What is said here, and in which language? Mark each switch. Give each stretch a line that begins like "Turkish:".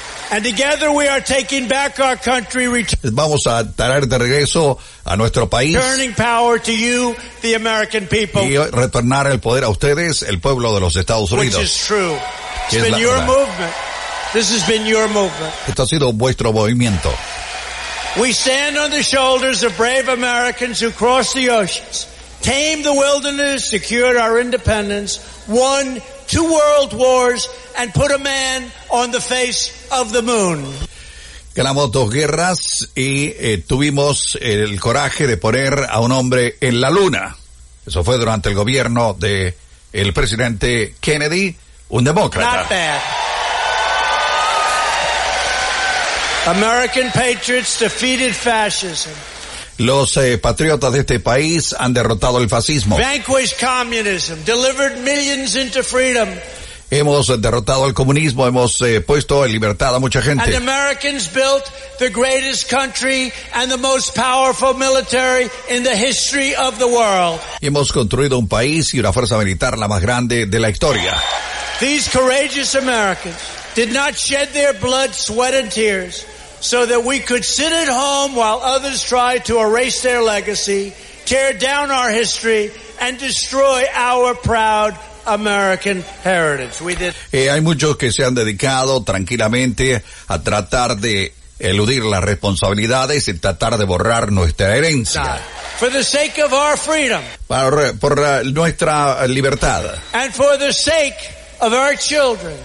English: And together we are taking back our country.
Spanish: Vamos a traer de regreso a nuestro país.
English: Turning power to you, the American people.
Spanish: Y retornar el poder a ustedes, el pueblo de los Estados Unidos.
English: Which is true. It's been your movement. This has been your movement.
Spanish: Esto ha sido vuestro movimiento.
English: We stand on the shoulders of brave Americans who crossed the oceans, tamed the wilderness, secured our independence, won 2 world wars, and put a man on the face of the moon.
Spanish: Ganamos 2 guerras y tuvimos el coraje de poner a un hombre en la luna. Eso fue durante el gobierno de el presidente Kennedy, un demócrata.
English: Not bad. American patriots defeated fascism.
Spanish: Los patriotas de este país han derrotado el fascismo.
English: Vanquished communism, delivered millions into freedom.
Spanish: Hemos derrotado al comunismo, hemos puesto en libertad a mucha gente.
English: And Americans built the greatest country and the most powerful military in the history of the world.
Spanish: Hemos construido un país y una fuerza militar la más grande de la historia.
English: These courageous Americans did not shed their blood, sweat and tears so that we could sit at home while others try to erase their legacy, tear down our history, and destroy our proud American heritage.
Spanish: Hay muchos que se han dedicado tranquilamente a tratar de eludir las responsabilidades y tratar de borrar nuestra herencia.
English: For the sake of our freedom.
Spanish: Por nuestra libertad.
English: And for the sake of our children.